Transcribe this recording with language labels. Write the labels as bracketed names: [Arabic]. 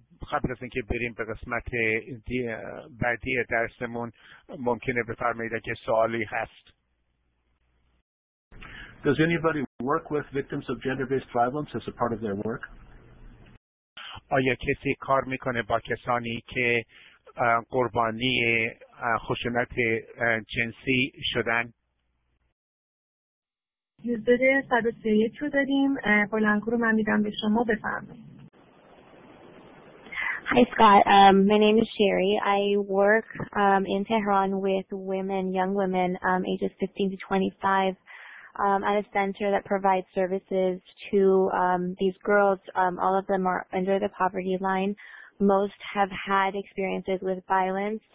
[Persian] قبل از اینکه بریم به قسمت بعدی درسمون ممکنه بفرمایید اگه سوالی هست. [English] Does anybody work with victims of gender-based violence as a part of their work? [Persian] آیا کسی کار میکنه با کسانی که قربانی خشونت جنسی شدن؟ یوزر 131 رو داریم. بلنگو رو من میدم به شما، بفرمایید. [English] Hi Scott, my name is Sherry. I work in Tehran with women, young women, ages 15 to 25, at a center that provides services to these girls. All of them are under the poverty line. Most have had experiences with violence.